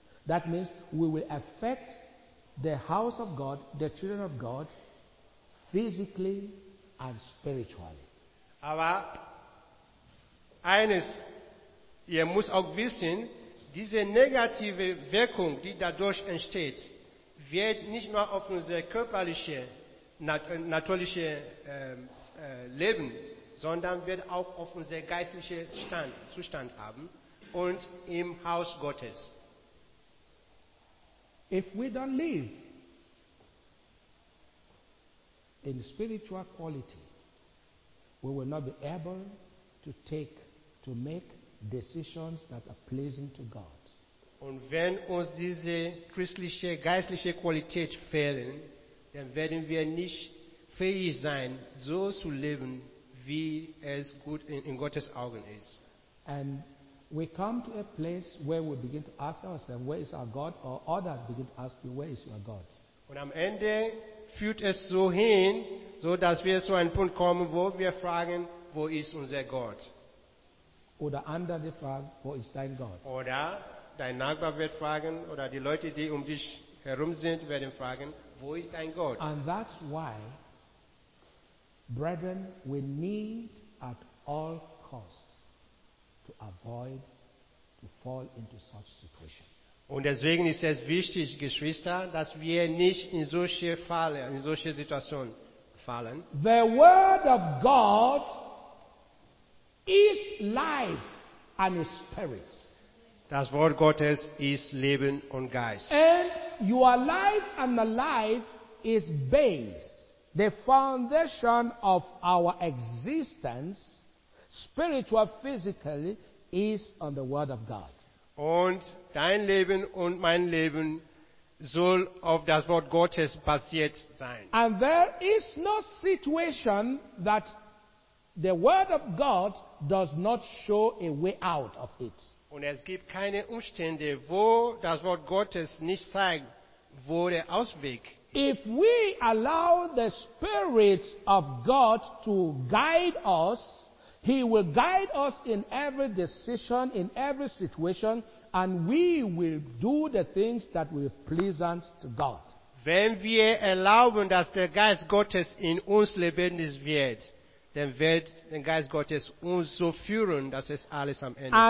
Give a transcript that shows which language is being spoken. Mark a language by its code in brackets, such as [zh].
[en] That means we will affect the house of God, the children of God, physically and spiritually. [de] Aber eines, ihr müsst auch wissen, diese negative Wirkung, die dadurch entsteht, wird nicht nur auf unser körperliches, natürliches Leben, sondern wird auch auf unser geistliches Zustand haben und im Haus Gottes. [en] If we don't live in spiritual quality, we will not be able to make decisions that are pleasing to God. [de] Und wenn uns diese christliche, geistliche Qualität fehlen, dann werden wir nicht fähig sein, so zu leben, wie es gut in Gottes Augen ist. [en] And we come to a place where we begin to ask ourselves, where is our God? Or others begin to ask you, where is your God? [de] Und am Ende führt es so hin, so dass wir zu einem Punkt kommen, wo wir fragen, wo ist unser Gott? Oder andere fragen, wo ist dein Gott? Oder dein Nachbar wird fragen, oder die Leute, die um dich herum sind, werden fragen, wo ist dein Gott? [en] And that's why, brethren, we need at all costs to avoid to fall into such situation. [de] Und deswegen ist es wichtig, Geschwister, dass wir nicht in solche Fallen, in solche Situationen fallen. [en] The Word of God is life and spirit. [de] Das Wort Gottes ist Leben und Geist. [en] And your life and the life is based. The foundation of our existence, spiritual, physically, is on the Word of God. [de] Und dein Leben und mein Leben soll auf das Wort Gottes basiert sein. [en] And there is no situation that the Word of God does not show a way out of it. [de] Und es gibt keine Umstände, wo das Wort Gottes nicht zeigt, wo der Ausweg ist. [en] If we allow the Spirit of God to guide us, He will guide us in every decision, in every situation, and we will do the things that will be pleasant to God. [de] Wenn wir erlauben, dass der Geist Gottes in uns lebendig wird, dann wird der Geist Gottes uns so führen, dass es alles am Ende.